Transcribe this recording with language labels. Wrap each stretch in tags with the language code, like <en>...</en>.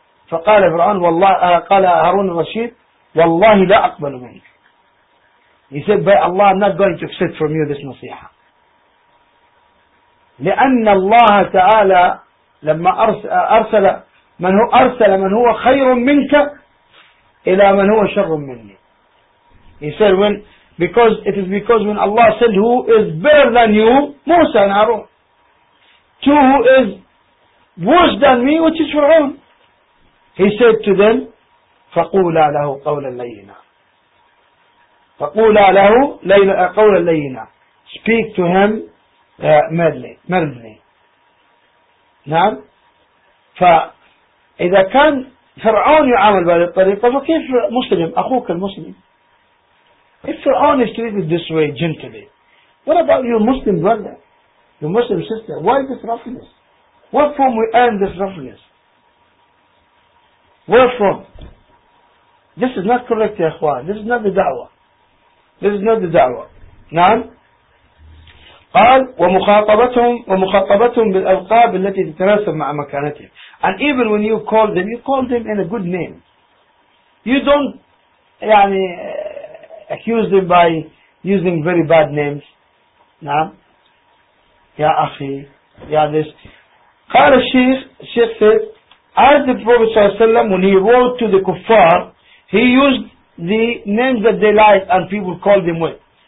<ar>فقال فرعون والله قال هارون الرشيد والله لا أقبل منك.</ar> <en>He said, by Allah, I'm not going to accept from you this نصيحة.</en> <ar>لأن الله تعالى لما أرسل من هو خير منك إلى من هو شر مني.</ar> <en>He said, because when Allah said who is better than you, Musa and Harun, to who is worse than me, which is Fir'aun. He said to them,</en> <ar>فقولا له قولا لينا. فقولا له قولا لينا.</ar> <en>Speak to him mildly. نعم.</en> <ar>فإذا كان فرعون يعامل بهذه الطريقة فكيف مسلم أخوك المسلم؟</ar> <en>If Fir'aun is treated this way gently, what about your Muslim brother, your Muslim sister? Why this roughness? Where from we earn this roughness? Where from? This is not correct, ya ikhwan. This is not the da'wah. This is not the da'wah. نعم.</en> <ar>قال ومخاطبتهم بالألقاب التي تتناسب مع مكانتهم.</ar> <en>And even when you call them in a good name. You don't, يعني, accuse them by using very bad names.</en> <ar>نعم. يا أخي. يا this. قال الشيخ</ar> <en>said, as the Prophet صلى الله عليه وسلم, when he wrote to the kuffar, he used the names that they liked and people called them with.</en>